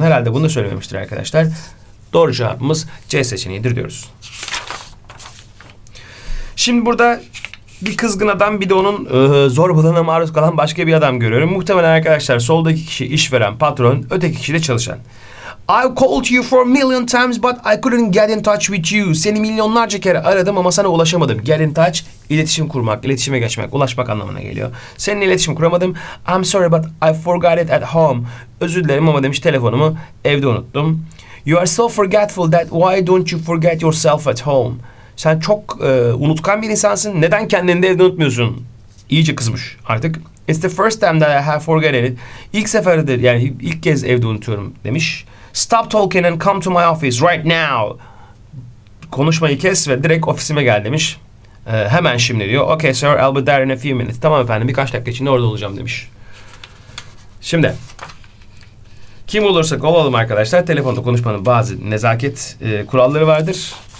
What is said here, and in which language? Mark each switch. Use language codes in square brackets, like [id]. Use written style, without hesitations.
[tr] Herhalde bunu söylememiştir arkadaşlar. Doğru cevabımız C seçeneğidir diyoruz. Şimdi burada bir kızgın adam, bir de onun zorbalığına maruz kalan başka bir adam görüyorum. Muhtemelen arkadaşlar soldaki kişi işveren, patron, öteki kişi de çalışan. [en] I called you for a million times but I couldn't get in touch with you. [tr] Seni milyonlarca kere aradım ama sana ulaşamadım. [en] Get in touch, [tr] iletişim kurmak, iletişime geçmek, ulaşmak anlamına geliyor. Seninle iletişim kuramadım. [en] I'm sorry but I forgot it at home. [tr] Özür dilerim ama demiş telefonumu evde unuttum. [en] You are so forgetful that why don't you forget yourself at home? [tr] Sen çok unutkan bir insansın. Neden kendini de evde unutmuyorsun? İyice kızmış artık. [en] It's the first time that I have forgotten it. [tr] İlk seferdir, yani ilk kez evde unutuyorum demiş. [en] Stop talking and come to my office right now. [tr] Konuşmayı kes ve direkt ofisime gel demiş. Hemen şimdi diyor. [en] Okay sir, I'll be there in a few minutes. [tr] Tamam efendim, birkaç dakika içinde orada olacağım demiş. Şimdi. Kim olursak olalım arkadaşlar, telefonda konuşmanın bazı nezaket kuralları vardır.